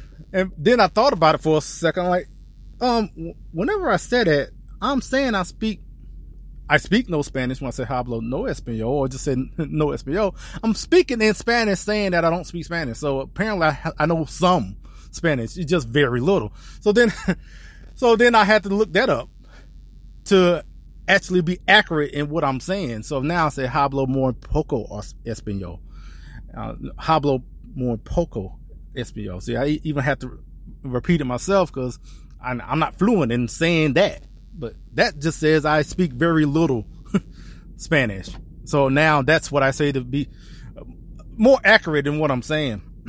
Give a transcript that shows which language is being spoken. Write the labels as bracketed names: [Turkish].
[English] And then I thought about it for a second, like, whenever I said it, I'm saying I speak no Spanish when I say hablo no español, or just say no español. I'm speaking in Spanish saying that I don't speak Spanish. So apparently I know some Spanish. It's just very little. So then I had to look that up to actually be accurate in what I'm saying. So now I say hablo muy poco español. [Spanish] Hablo muy poco español. [English] See, I even have to repeat it myself because I'm not fluent in saying that. But that just says I speak very little Spanish. So now that's what I say to be more accurate in what I'm saying.